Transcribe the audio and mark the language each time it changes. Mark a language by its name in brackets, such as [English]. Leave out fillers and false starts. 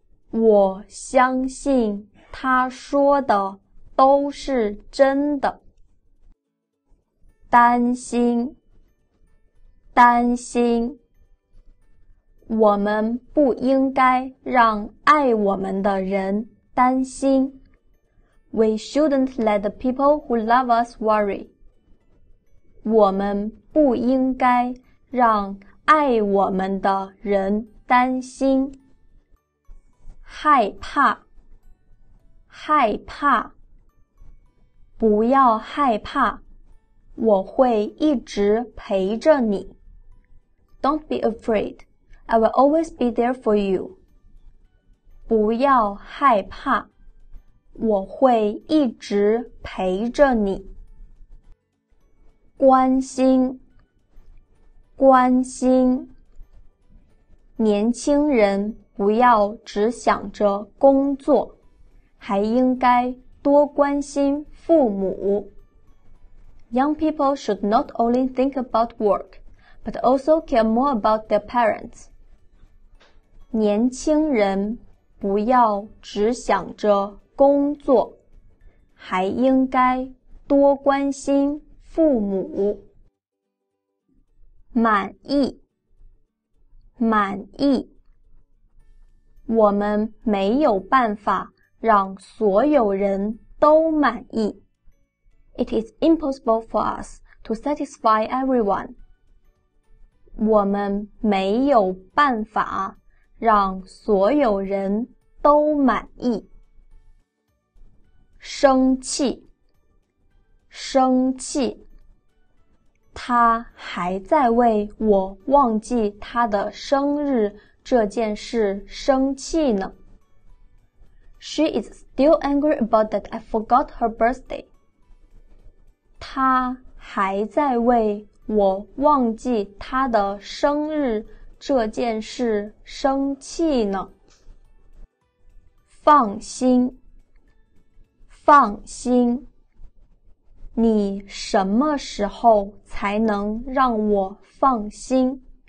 [Chinese] 我相信他说的都是真的。担心，担心。我们不应该让爱我们的人担心。 [English] We shouldn't let the people who love us worry. [Chinese] 我们不应该让爱我们的人担心。害怕，害怕。不要害怕，我会一直陪着你。 [English] Don't be afraid. I will always be there for you. [Chinese] 不要害怕。我会一直陪着你。关心，关心。年轻人不要只想着工作，还应该多关心父母。 [English] Young people should not only think about work, but also care more about their parents. [Chinese] 年轻人不要只想着工作，还应该多关心父母。满意，满意。我们没有办法让所有人都满意。 [English] It is impossible for us to satisfy everyone. [Chinese] 我们没有办法让所有人都满意。生气，生气。他还在为我忘记他的生日这件事生气呢。 [English] She is still angry about that I forgot her birthday. [Chinese] 他还在为我忘记他的生日这件事生气呢。放心，放心，你什么时候才能让我放心？